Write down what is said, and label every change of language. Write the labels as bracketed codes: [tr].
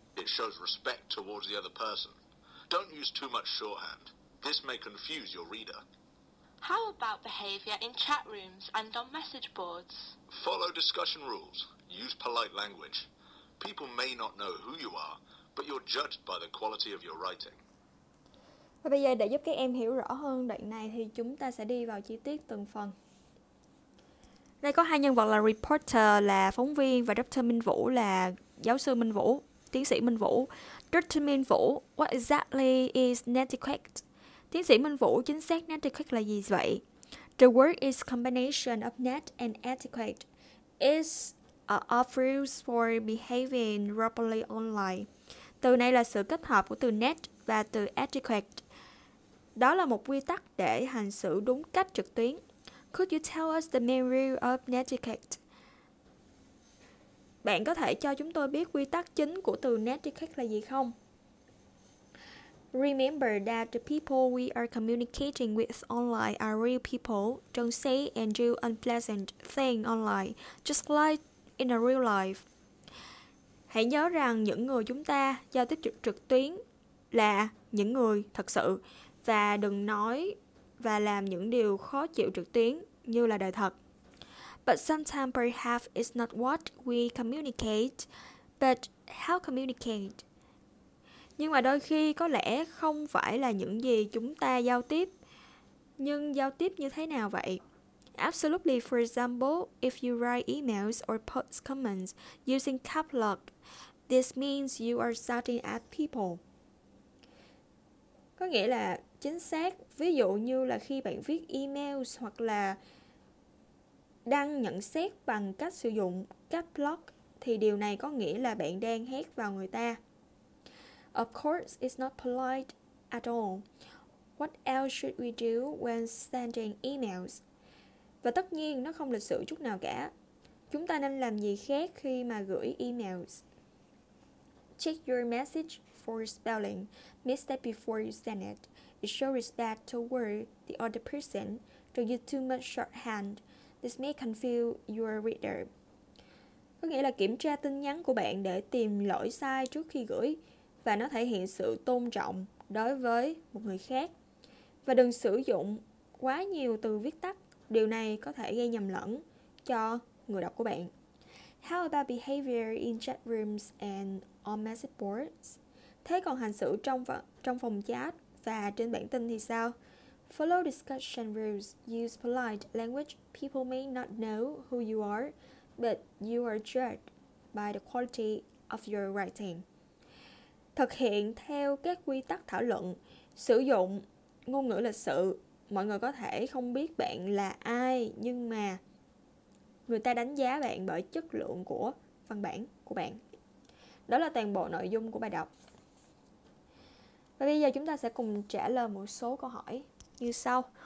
[en] It shows respect towards the other person. Don't use too much shorthand. This may confuse your reader. How about behavior in chat rooms and on message boards? Follow discussion rules. Use polite language. People may not know who you are, but you're judged by the quality of your writing. [vi] Và bây giờ để giúp các em hiểu rõ hơn đoạn này thì chúng ta sẽ đi vào chi tiết từng phần. Đây có hai nhân vật là reporter là phóng viên và Dr. Minh Vũ là giáo sư Minh Vũ, tiến sĩ Minh Vũ. Dr. [en] Minh Vũ, what exactly is netiquette? [vi] Tiến sĩ Minh Vũ, chính xác netiquette là gì vậy? [en] The word is combination of net and etiquette. It's a rules for behaving properly online. [vi] Từ này là sự kết hợp của từ net và từ etiquette. Đó là một quy tắc để hành xử đúng cách trực tuyến. [en] Could you tell us the main rule of netiquette? [vi] Bạn có thể cho chúng tôi biết quy tắc chính của từ netiquette là gì không? [en] Remember that the people we are communicating with online are real people. Don't say and do unpleasant things online, just like in a real life. [vi] Hãy nhớ rằng những người chúng ta giao tiếp trực tuyến là những người thật sự và đừng nói và làm những điều khó chịu trực tuyến như là đời thật. [en] But sometimes perhaps it's not what we communicate, but how communicate. [vi] Nhưng mà đôi khi có lẽ không phải là những gì chúng ta giao tiếp, nhưng giao tiếp như thế nào vậy? [en] Absolutely, for example, if you write emails or post comments using caps lock, this means you are shouting at people. [vi] Có nghĩa là chính xác, ví dụ như là khi bạn viết email hoặc là đăng nhận xét bằng cách sử dụng các blog thì điều này có nghĩa là bạn đang hét vào người ta. [en] Of course, it's not polite at all. What else should we do when sending emails? [vi] Và tất nhiên nó không lịch sự chút nào cả. Chúng ta nên làm gì khác khi mà gửi emails? [en] Check your message for spelling mistake before you send it. It shows respect toward the other person. Don't use too much shorthand. This may confuse your reader. [vi] Có nghĩa là kiểm tra tin nhắn của bạn để tìm lỗi sai trước khi gửi, và nó thể hiện sự tôn trọng đối với một người khác. Và đừng sử dụng quá nhiều từ viết tắt. Điều này có thể gây nhầm lẫn cho người đọc của bạn. [en] How about behavior in chat rooms and on message boards? [vi] Thế còn hành xử trong phòng chat và trên bản tin thì sao? [en] Follow discussion rules. Use polite language. People may not know who you are, but you are judged by the quality of your writing. [vi] Thực hiện theo các quy tắc thảo luận. Sử dụng ngôn ngữ lịch sự. Mọi người có thể không biết bạn là ai, nhưng mà người ta đánh giá bạn bởi chất lượng của văn bản của bạn. Đó là toàn bộ nội dung của bài đọc. Và bây giờ chúng ta sẽ cùng trả lời một số câu hỏi như sau.